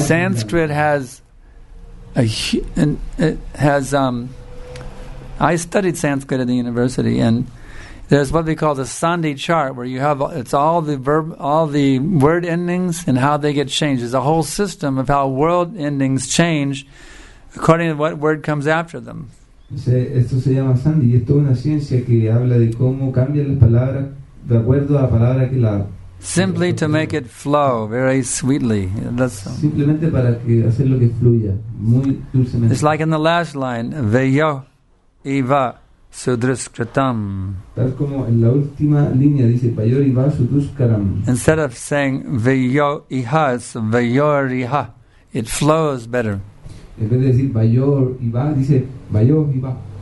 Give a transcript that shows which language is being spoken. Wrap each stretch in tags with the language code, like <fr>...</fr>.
<en>Sanskrit has I studied Sanskrit at the university, and there's what they call the Sandhi chart, where you have it's all the verb, all the word endings, and how they get changed. There's a whole system of how word endings change according to what word comes after them.</en> <es>Esto se llama Sandhi, y es toda una ciencia que habla de cómo cambian las palabras de acuerdo a la palabra que la.</es> <en>Simply to make it flow very sweetly. That's</en> <es>simplemente para que hacer lo que fluya muy dulcemente.</es> <en>It's like in the last line,</en> <sa>veyo iva sudruskritam.</sa> <es>Tal como en la última línea dice</es> <sa>veyo iva sudruskritam.</sa> <en>Instead of saying veyo iha, it's veyor iha. It flows better.</en> <es>En vez de decir veyo iva, dice veyo iva.</es>